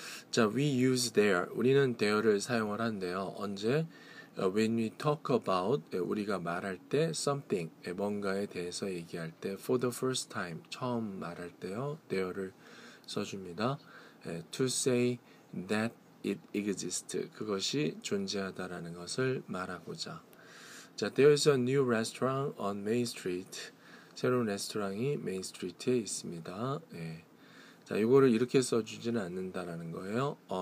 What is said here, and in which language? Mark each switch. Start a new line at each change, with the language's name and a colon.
English: 자, we use there.
Korean: 우리는 there를 사용을 한대요. 언제?
English: When we talk about,
Korean: 우리가 말할 때 something, 뭔가에 대해서 얘기할 때
English: for the first time,
Korean: 처음 말할 때요, there를 써줍니다.
English: To say that it exists,
Korean: 그것이 존재하다라는 것을 말하고자.
English: 자, there is a new restaurant on Main Street.
Korean: 새로운 레스토랑이 Main Street에 있습니다. 예. 자, 이거를 이렇게 써주지는 않는다라는 거예요.